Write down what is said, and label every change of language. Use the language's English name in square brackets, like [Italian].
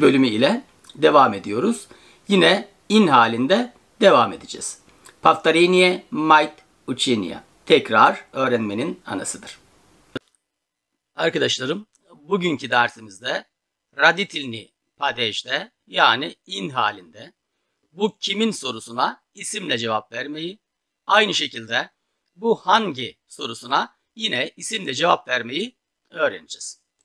[Turkish] bölümü ile devam ediyoruz. Yine in halinde devam edeceğiz. [Russian] Повторение мать учения. [Turkish] Tekrar öğrenmenin anasıdır. Arkadaşlarım, bugünkü dersimizde raditilni padejde, yani in halinde, bu kimin sorusuna isimle cevap vermeyi, aynı şekilde bu hangi sorusuna yine isimle cevap vermeyi öğreneceğiz.